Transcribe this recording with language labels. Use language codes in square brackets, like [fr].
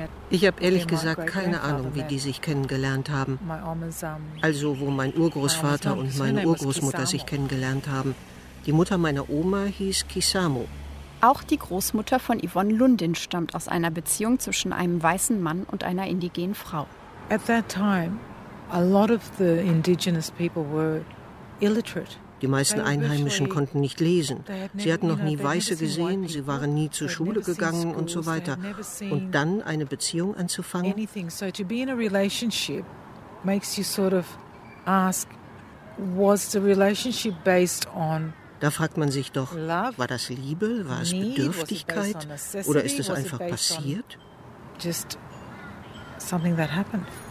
[de] Ich habe ehrlich gesagt keine Ahnung, wie die sich kennengelernt haben. Also wo mein Urgroßvater und meine Urgroßmutter sich kennengelernt haben. Die Mutter meiner Oma hieß Kisamo. Auch die Großmutter von Yvonne Lundin stammt aus einer Beziehung zwischen einem weißen Mann und einer indigenen Frau. [en] At that time, a lot of the indigenous people were illiterate. [de] Die meisten Einheimischen konnten nicht lesen. Sie hatten noch nie Weiße gesehen, sie waren nie zur Schule gegangen und so weiter. Und dann eine Beziehung anzufangen? [en] So to be in a relationship makes you sort of ask, was the relationship based on? [de] Da fragt man sich doch, war das Liebe, war es Bedürftigkeit oder ist es einfach passiert? [en] Just something that happened.